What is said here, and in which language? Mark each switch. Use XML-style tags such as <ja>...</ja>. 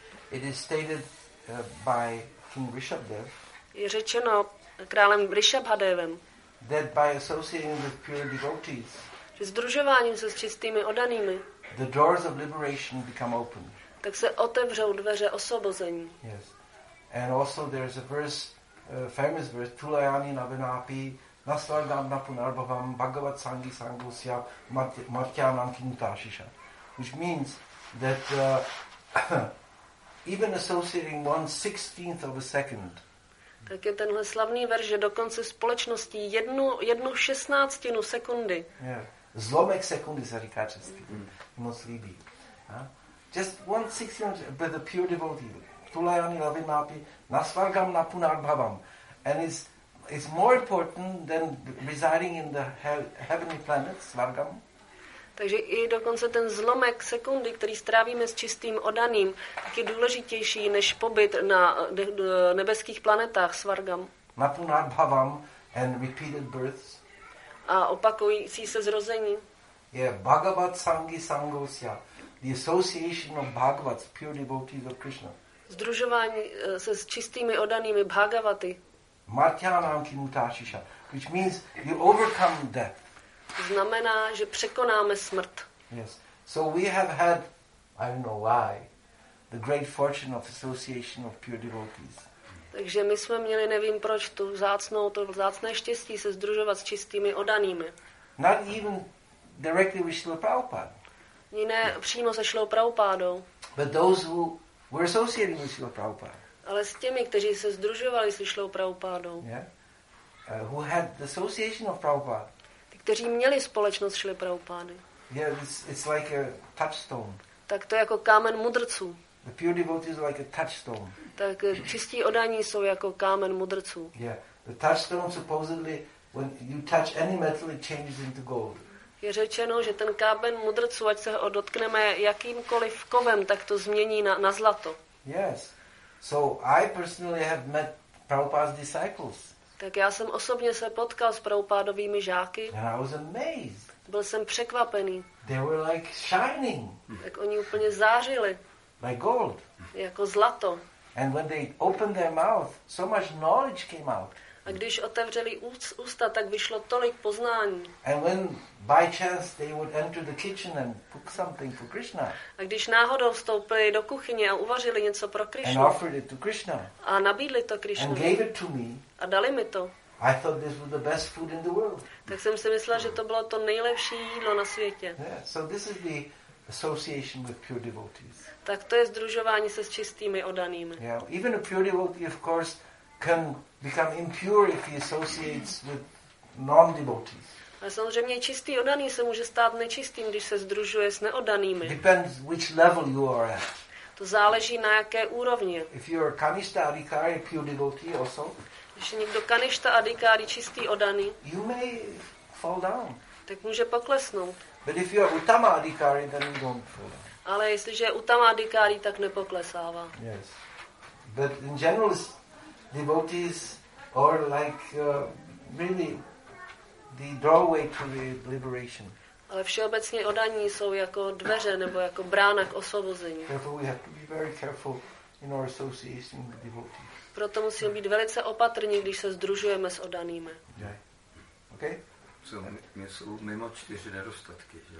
<en>it is stated by King Rishabdev.</en> <cs>Je řečeno králem Rishabhadevem.</cs> <en>That by associating with pure devotees.</en> <cs>Že sdružováním se s čistými oddanými.</cs> <en>The doors of liberation become open.</en> <cs>Tak se otevřou dveře osvobození.</cs> <en>Yes. And also there is a verse, a famous verse,</en> <sa>Tulayani Navinapi, Nasvargam Napunarbhavam, Bhagavat Sangi Sangusya, Martyanam Kintashisha.</sa> <en>Which means that even associating 1/16 of a second.</en> <cs>Tak je tenhle slavný verš, že dokonce společností jednu šestnáctinu sekundy.</cs> <en>Yeah.</en> <cs>Zlomek sekundy se říká česky.</cs> <en>Mm-hmm.</en> <cs>Moc líbí.</cs> <en>Just 1/16 by the pure devotee.</en> <sa>Tulayani lavinapi nasvargam napunarbhavam.</sa> <en>And it's more important than residing in the heavenly planets, svargam.</en> <cs>Takže i dokonce ten zlomek sekundy, který strávíme s čistým oddaným, tak je důležitější než pobyt na nebeských planetách svargam.</cs> <en>Napunarbhavam and repeated births.</en> <cs>A opakující se zrození.</cs> <sa>Je Bhagavat Sangi Sangosya.</sa> <en>The association of Bhagavats, pure devotees of Krishna.</en> <cs>Združování se s čistými oddanými Bhagavaty.</cs> <sa>Martyanam kimutashisha,</sa> <en>which means you overcome death.</en> <cs>Znamená, že překonáme smrt.</cs> <en>Yes. So we have had, I don't know why, the great fortune of association of pure devotees.</en> <cs>Takže my jsme měli, nevím proč, to vzácné štěstí se sdružovat s čistými oddanými.</cs> <en>Not even directly with Srila Prabhupada.</en> <cs>Ne přímo se Srilou Prabhupádou.</cs> <en>But those who were associating with Srila Prabhupada.</en> <cs>Ale s těmi, kteří se sdružovali se Srilou Prabhupádou.</cs> <en>Yeah. Who had the association of Prabhupada.</en> <cs>Kteří měli společnost Srily Prabhupády.</cs> <en>Yeah, it's like a touchstone.</en> <cs>Tak to je jako kámen mudrců.</cs> <en>The pure devotees are like a touchstone.</en> <cs>Tak čistí oddaní jsou jako kámen mudrců.</cs> <en>Yeah, the touchstone supposedly when you touch any metal it changes into gold.</en> <cs>Je řečeno, že ten kámen mudrců, ať se ho dotkneme jakýmkoliv kovem, tak to změní na zlato.</cs> <en>Yes. So I personally have met Prabhupada's disciples.</en> <cs>Tak já jsem osobně se potkal s Prabhupádovými žáky.</cs> <en>And I was amazed.</en> <cs>Byl jsem překvapený.</cs> <en>They were like shining.</en> <cs>Tak oni úplně zářili.</cs> <en>Like gold.</en> <cs>Jako zlato.</cs> <en>And when they opened their mouth, so much knowledge came out.</en> <cs>A když otevřeli ústa, tak vyšlo tolik poznání.</cs> <en>And when by chance they would enter the kitchen and cook something for Krishna.</en> <cs>A když náhodou vstoupili do kuchyně a uvařili něco pro Krishnu.</cs> <en>And offered it to Krishna.</en> <cs>A nabídli to Krishnu.</cs> <en>And gave it to me.</en> <cs>A dali mi to.</cs> <en>I thought this was the best food in the world.</en> <cs>Tak jsem si myslela, že to bylo to nejlepší jídlo na světě.</cs> <en>Yeah, so this is the association with pure devotees.</en> <cs>Tak to je sdružování se s čistými oddanými.</cs> <en>Yeah, even a pure devotee of course can become impure if he associates with non-devotees.</en> <cs>A samozřejmě čistý oddaný se může stát nečistým, když se sdružuje s neoddanými.</cs> <en>Depends which level you are at.</en> <cs>To záleží na jaké úrovni.</cs> <en>If you are kanishta adhikari, pure devotee also.</en> <cs>Když je někdo kanishta adhikari, čistý oddaný.</cs> <en>You may fall down.</en> <cs>Tak může poklesnout.</cs> <en>But if you are uttama adhikari, then you don't fall down.</en> <cs>Ale jestliže je uttama adhikari, tak nepoklesává.</cs> <en>Yes. But in general, devotees are like really the doorway to the liberation.</en> <cs>Ale všeobecně oddaní jsou jako dveře nebo jako brána k osvobození.</cs> <en>Therefore we have to be very careful in our association with devotees.</en> <cs>Proto musíme být velice opatrní, když se sdružujeme s oddanými.</cs> <en>Yeah. Okay?</en> <cs>So, my jsou mimo čtyři nedostatky, že?</cs>